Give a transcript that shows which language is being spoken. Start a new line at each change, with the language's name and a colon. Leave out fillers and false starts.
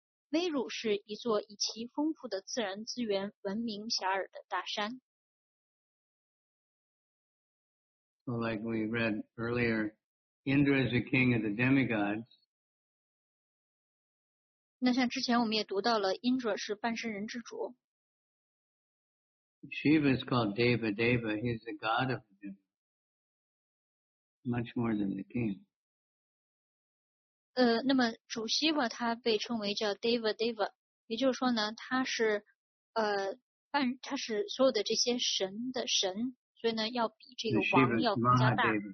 Chinese: Meru 是一座以其丰富的自然资源闻名遐迩的大山。
English: So like we read earlier, Indra is the king of the demigods.
Chinese: 那像之前我们也读到了 Indra 是半身人之主。
English: Shiva is called Deva Deva, he's the god of them, much more than the king.
Chinese: 那么主希瓦他被称为叫 Deva Deva, 也就是说呢，他是他是所有的这些神的神，所以呢要比这个王要更加大。